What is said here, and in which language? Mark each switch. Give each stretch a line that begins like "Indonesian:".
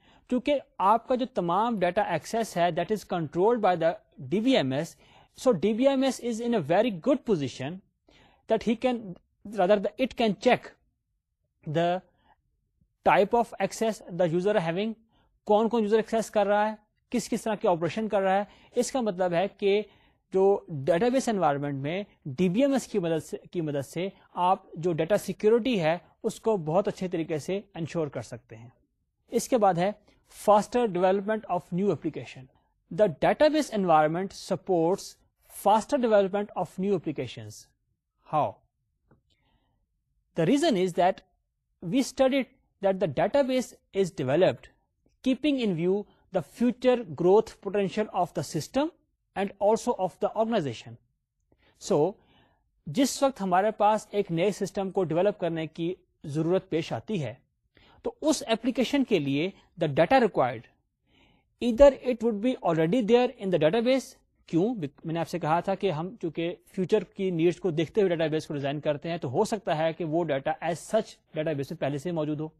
Urdu: چونکہ آپ کا جو تمام ڈیٹا ایکسس ہے
English: that is controlled by the DBMS, so DBMS is in a very good position that it can check the type of access the user are having,
Urdu: کون کون user access کر رہا ہے,
English: کس کس طرح کے آپریشن کر رہا ہے.
Urdu: اس کا مطلب ہے کہ جو ڈیٹا بیس انوائرمنٹ میں DBMS کی مدد سے آپ جو ڈیٹا سیکورٹی ہے اس کو بہت اچھے طریقے سے انشور کر سکتے ہیں. اس کے بعد ہے
English: faster development of new application. The database environment supports faster development of new applications. How? The reason is that we studied that the database is developed keeping in view the future growth potential of the system and also of the organization.
Urdu: So, جس وقت ہمارے پاس ایک نئے system کو develop کرنے کی ضرورت پیش آتی ہے تو اس ایپلیکیشن کے لیے
English: The data required either it would be already there in the database.
Urdu: کیوں؟ میں نے آپ سے کہا تھا کہ ہم چونکہ فیوچر کی نیڈس کو دیکھتے ہوئے ڈیٹا بیس کو ڈیزائن کرتے ہیں تو ہو سکتا ہے کہ وہ data as such data base میں پہلے سے موجود ہو.